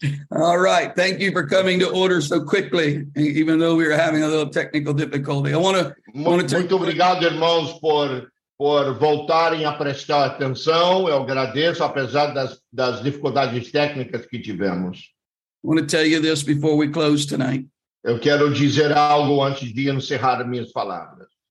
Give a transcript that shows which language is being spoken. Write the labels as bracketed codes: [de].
[en] All right, thank you for coming to order so quickly, even though we were having a little technical difficulty. [pt] Muito obrigado, irmãos, por voltarem a prestar atenção. Eu agradeço, apesar das dificuldades técnicas que tivemos. [en] I want to tell you this before we close tonight. [pt] Eu quero dizer algo antes de encerrar minhas palavras.